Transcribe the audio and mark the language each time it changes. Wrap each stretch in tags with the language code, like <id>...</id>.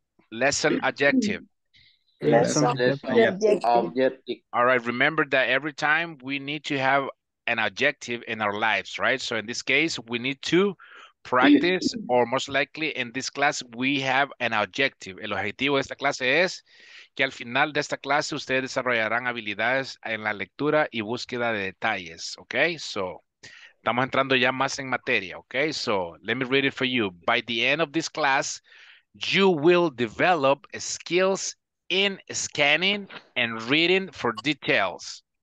<en>Lesson adjective. Lesson adjective. Lesson adjective. All right, remember that every time we need to have an adjective in our lives, right? So in this case, we need to practice, or most likely in this class, we have an objective.</en> <es>El objetivo de esta clase es que al final de esta clase ustedes desarrollarán habilidades en la lectura y búsqueda de detalles.</es> <en>Okay, so</en> <es>estamos entrando ya más en materia.</es> <en>Okay, so let me read it for you. By the end of this class, you will develop skills in scanning and reading for details.</en>